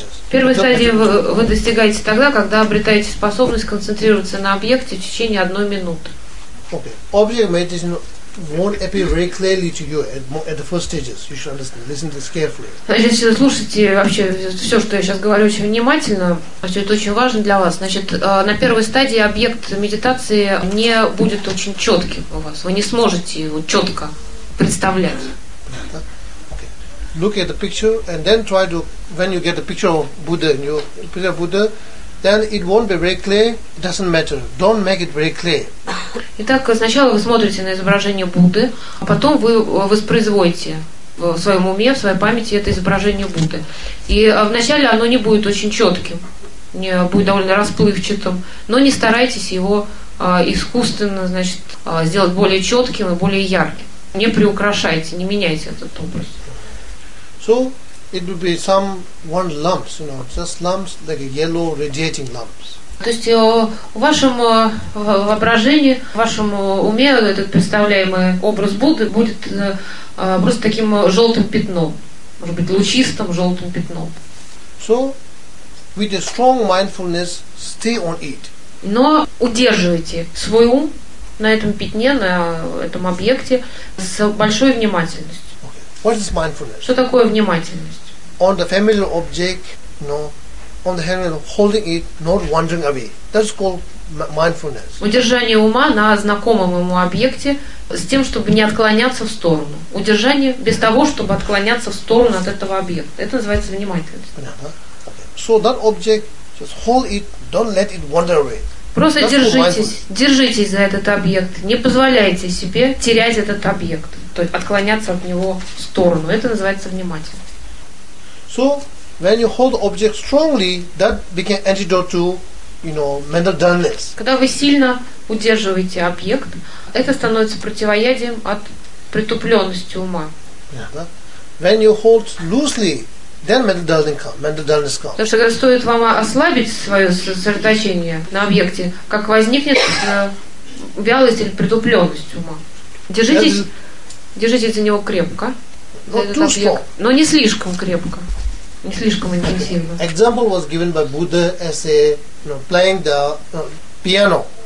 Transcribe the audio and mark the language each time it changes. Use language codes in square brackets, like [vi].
[ru] Первой стадии вы достигаете тогда, когда обретаете способность концентрироваться на объекте в течение 1 минуты. [en] Okay. Object meditation won't appear very clearly to you at the first stages. You should understand. Listen to this carefully. [ru] Значит, слушайте вообще все, что я сейчас говорю, очень внимательно. Все это очень важно для вас. Значит, на первой стадии объект медитации не будет очень четким у вас. Вы не сможете его четко представлять. [en] Look at the picture and then try to, when you get the picture of Buddha, you picture of Buddha, then it won't be very clear, it doesn't matter. Don't make it very clear. [ru] Итак, сначала вы смотрите на изображение Будды, а потом вы воспроизводите в своем уме, в своей памяти это изображение Будды. И вначале оно не будет очень четким, не будет довольно расплывчатым, но не старайтесь его искусственно, значит, сделать более четким и более ярким. Не приукрашайте, не меняйте этот образ. [en] So it would be some one lumps, you know, just lumps, like a yellow radiating lumps. [ru] То есть в вашем воображении, в вашем уме этот представляемый образ Будды будет просто таким желтым пятном, может быть, лучистым желтым пятном. [en] So with a strong mindfulness, stay on it. [ru] Но удерживайте свой ум на этом пятне, на этом объекте с большой внимательностью. [en] Okay. What is mindfulness? [ru] Что такое внимательность? [en] On the familiar object, no. On the hand of holding it, not wandering away. That's called mindfulness. [ru] Удержание ума на знакомом ему объекте с тем, чтобы не отклоняться в сторону. Удержание без того, чтобы отклоняться в сторону от этого объекта. Это называется внимательность. Понятно. [en] Okay. So that object, just hold it, don't let it wander away. [ru] Просто держитесь, держитесь за этот объект. Не позволяйте себе терять этот объект, то есть отклоняться от него в сторону. Это называется внимательность. [en] So when you hold object strongly, that became antidote to, you know, mental dullness. [ru] Когда вы сильно удерживаете объект, это становится противоядием от притупленности ума. [en] Yeah, when you hold loosely, then mental dullness comes. [ru] Потому что когда стоит вам ослабить свое сосредоточение на объекте, как возникнет вялость или притупленность ума. Держитесь за него крепко, но не слишком крепко. Не слишком интенсивно. [en] Okay. Example was given by Buddha as a, you know, playing the piano.